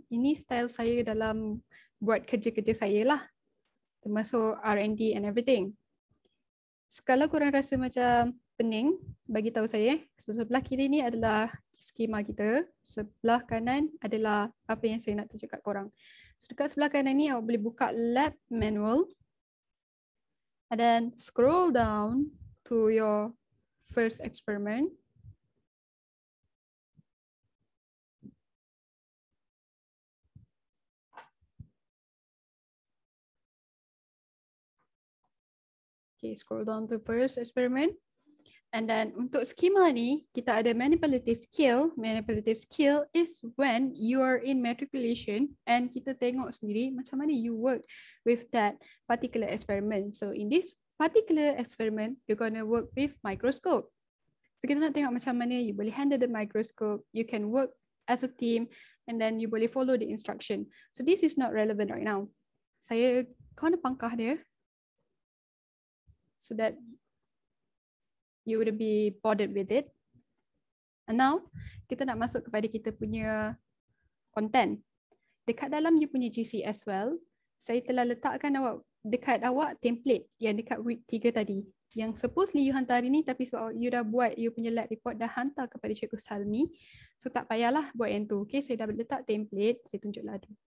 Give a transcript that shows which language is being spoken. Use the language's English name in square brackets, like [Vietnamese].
[Malay] Ini style saya dalam buat kerja-kerja saya lah. Termasuk R&D [English] and everything. [Malay] Kalau korang rasa macam pening, bagi tahu saya. So, sebelah kiri ni adalah skema kita. Sebelah kanan adalah apa yang saya nak tunjuk kat korang. So, dekat sebelah kanan ni awak boleh buka lab manual. [English] And then scroll down to your first experiment. Okay, scroll down to first experiment. And then [Malay] untuk skema ni, kita ada [English] manipulative skill. Manipulative skill is when you are in matriculation and [Malay] kita tengok sendiri macam mana [English] you work with that particular experiment. So in this particular experiment, you're going to work with microscope. So [Malay] kita nak tengok macam mana [English] you boleh handle the microscope, you can work as a team and then you boleh follow the instruction. So this is not relevant right now. [Malay] Saya kena pangkah dia. [English] So that you wouldn't be bothered with it. And now, [Malay] kita nak masuk kepada kita punya content. Dekat dalam you punya GC as well, saya telah letakkan awak dekat awak template yang dekat week 3 tadi. Yang supposedly you hantar hari ni tapi sebab you dah buat you punya lab report dah hantar kepada Cikgu Salmi. So tak payahlah buat yang tu. Okay, saya dah letak template. Saya tunjuklah tu.